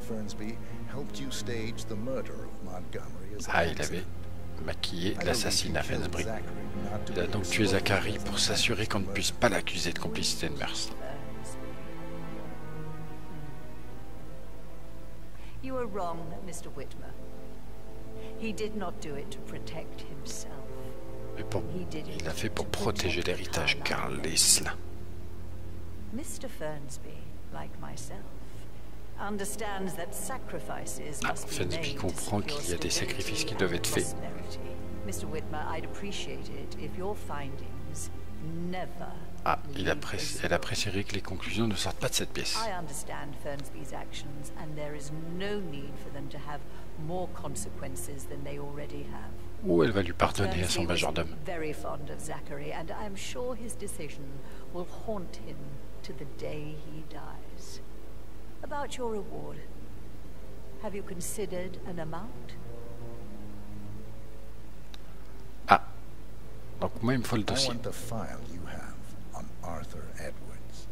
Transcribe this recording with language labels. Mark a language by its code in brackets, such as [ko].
[en] Fernsby helped you stage the murder of Montgomery as [fr] a il avait maquillé l'assassinat Fernsby. Il a donc tué Zachary pour s'assurer qu'on ne puisse pas l'accuser de complicité de meurtre. [en] You are wrong, Mr. Whitmer. He did not do it to protect himself. [fr] Mais pour, il l'a fait pour protéger l'héritage Carlisle. [en] Mr. Fernsby, like myself, understands that sacrifices must be made. [fr] Fernsby comprend qu'il y a des sacrifices qui doivent être faits. [en] Mr. Whitmer, I'd appreciate it if your findings never. [fr] Ah, elle apprécierait que les conclusions ne sortent pas de cette pièce. [en] I understand Fernsby's actions, and there is no need for them to have more consequences than they already have. [fr] Ou elle va lui pardonner à son majordome. [en] Very fond of Zachary, and I am sure his decision will haunt him to the day he dies. About your reward, have you considered an amount? [fr] Ah, donc moi il me faut le dossier. [en] I want the file you have on Arthur Edwards.